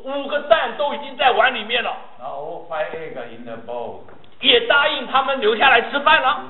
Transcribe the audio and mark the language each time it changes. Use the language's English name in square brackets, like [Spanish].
[Chinese] 五个蛋都已经在碗里面了。 [English] Now all five egg in the bowl. [Chinese] 也答应他们留下来吃饭了。